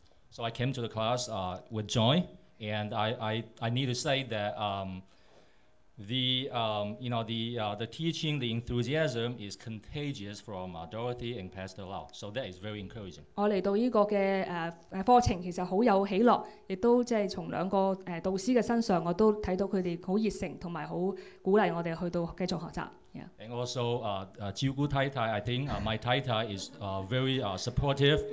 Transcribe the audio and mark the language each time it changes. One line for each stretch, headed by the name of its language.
English: So I came to the class with joy, and I need to say that the teaching, the enthusiasm is contagious from Dorothy and Pastor Lau, so that is very encouraging.
Chinese: 我来到这个课程其实很有喜乐，也都从两个导师的身上，我都看到他们很热诚，还有鼓励我们去继续学习。
English: Yeah. And also, Jiu Gu Tai Tai, I think my Tai Tai is very supportive.